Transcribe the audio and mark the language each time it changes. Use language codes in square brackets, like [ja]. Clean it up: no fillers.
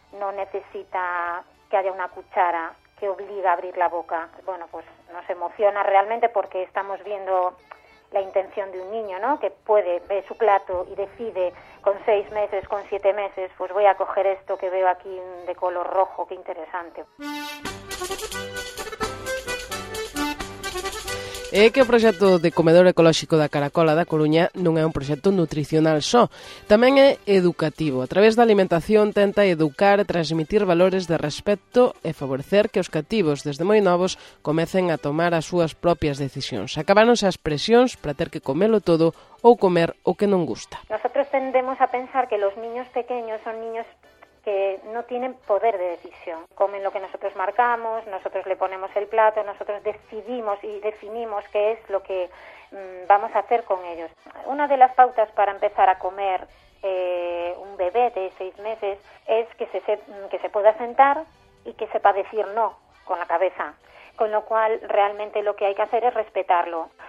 [es] No necesita que haya una cuchara que obliga a abrir la boca. Bueno, pues nos emociona realmente porque estamos viendo la intención de un niño, ¿no? Que puede ver su plato y decide con 6 meses, con 7 meses, pues voy a coger esto que veo aquí de color rojo, qué interesante. [gl] É que o proxecto de comedor ecolóxico da Caracola da Coruña non é un proxecto nutricional só, tamén é educativo. A través da alimentación tenta educar e transmitir valores de respecto e favorecer que os cativos desde moi novos comecen a tomar as súas propias decisións. Acabáronse as presións para ter que comelo todo ou comer o que non gusta. [es] Nosotros tendemos a pensar que los niños pequeños son niños que no tienen poder de decisión. Comen lo que nosotros marcamos, nosotros le ponemos el plato, nosotros decidimos y definimos qué es lo que vamos a hacer con ellos. Una de las pautas para empezar a comer un bebé de 6 meses es que se pueda sentar y que sepa decir no con la cabeza, con lo cual realmente lo que hay que hacer es respetarlo.